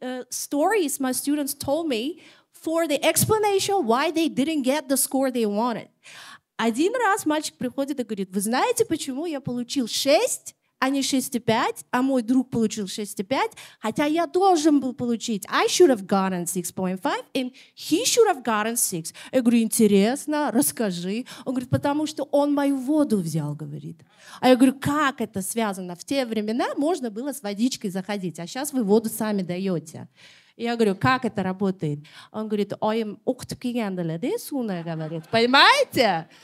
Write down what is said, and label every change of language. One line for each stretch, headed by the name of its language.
English: stories my students told me for the explanation why they didn't get the score they wanted.
Russian: Один раз мальчик приходит и говорит, вы знаете, почему я получил 6, а не 6.5, а мой друг получил 6.5, хотя я должен был получить.
English: I should have gotten 6.5, and he should have gotten 6.
Russian: Я говорю, интересно, расскажи. Он говорит, потому что он мою воду взял, говорит. А я говорю, как это связано? В те времена можно было с водичкой заходить, а сейчас вы воду сами даете. Я говорю, как это работает? Он говорит, ой, октикендле, да, суна, говорит, понимаете?